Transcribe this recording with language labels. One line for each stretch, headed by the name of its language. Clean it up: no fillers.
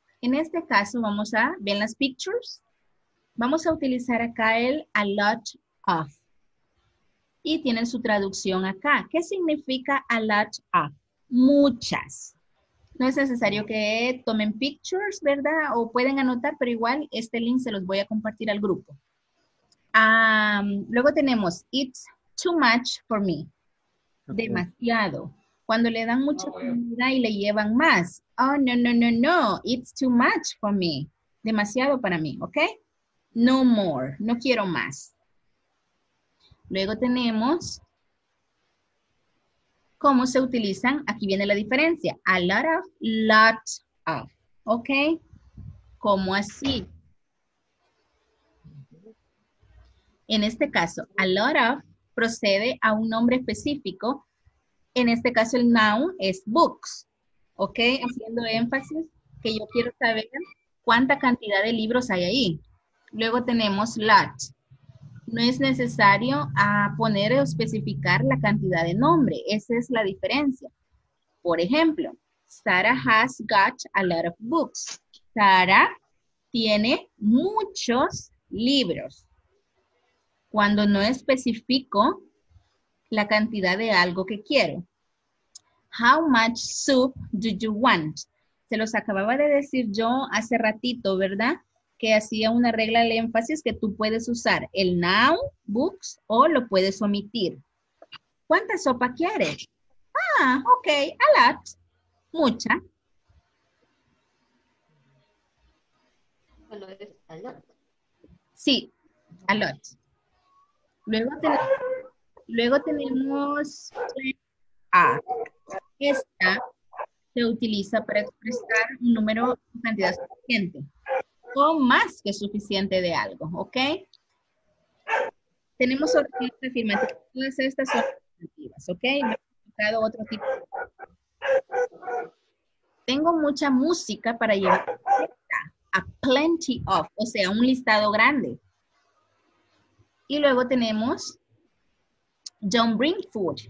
Spanish: En este caso, vamos a, ¿ven las pictures? Vamos a utilizar acá el a lot of. Y tienen su traducción acá. ¿Qué significa a lot of? Muchas. No es necesario que tomen pictures, ¿verdad? O pueden anotar, pero igual este link se los voy a compartir al grupo. Luego tenemos,
English: it's too much for me. Okay.
Spanish: Demasiado. Cuando le dan mucha comida y le llevan más.
English: Oh, no, no, no, no. It's too much for me.
Spanish: Demasiado para mí,
English: ¿ok? No more.
Spanish: No quiero más. Luego tenemos, ¿cómo se utilizan? Aquí viene la diferencia. A lot of, ¿ok? ¿Cómo así? En este caso, a lot of procede a un nombre específico. En este caso, el noun es books, ¿ok? Haciendo énfasis que yo quiero saber cuánta cantidad de libros hay ahí. Luego tenemos lot. No es necesario poner o especificar la cantidad de nombre. Esa es la diferencia.
English: Por ejemplo, Sarah has got a lot of books.
Spanish: Sarah tiene muchos libros. Cuando no especifico la cantidad de algo que quiero.
English: How much soup do you want?
Spanish: Se los acababa de decir yo hace ratito, ¿verdad? Que hacía una regla de énfasis que tú puedes usar el noun, books, o lo puedes omitir. ¿Cuánta sopa quieres? Ah, ok, a lot. Mucha. Solo es allá. Sí, a lot. Luego tenemos a. Esta se utiliza para expresar un número o cantidad suficiente. O más que suficiente de algo, ¿ok? Tenemos otras afirmativas. Todas estas son afirmativas, ¿ok? Me he buscado otro tipo. Tengo mucha música para llevar a plenty of, o sea, un listado grande. Y luego tenemos,
English: don't bring food.